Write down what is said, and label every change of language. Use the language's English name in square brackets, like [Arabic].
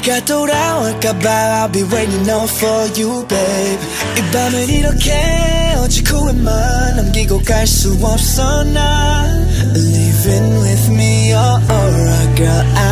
[Korean] 돌아올까봐 [English] I'll be waiting on for you, babe. [Korean] 이 밤을 이렇게 어찌 후회만 남기고 갈 수 없어 나. [English] Living with me, you're alright, girl.